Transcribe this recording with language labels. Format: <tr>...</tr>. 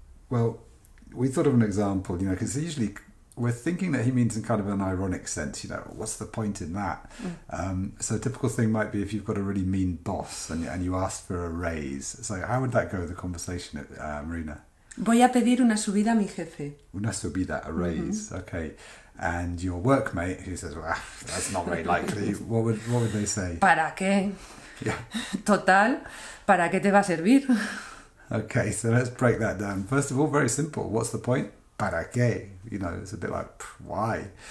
<en>Well, we thought of an example, you know, because usually we're thinking that he means in kind of an ironic sense, you know, what's the point in that? Mm. So a typical thing might be if you've got a really mean boss and you ask for a raise. So how would that go with the conversation, Marina?</en> <es>Voy a pedir una subida a mi jefe. Una subida,</es> <en>a raise, mm-hmm. Okay. And your workmate, who says, well, that's not very likely, what would they say?</en> <es>¿Para qué?</es> <en>Yeah.</en> <es>Total, ¿para qué te va a servir?</es> <en>Okay, so let's break that down. First of all, very simple. What's the point?</en> <es>¿Para qué?</es> <en>You know, it's a bit like, why?</en>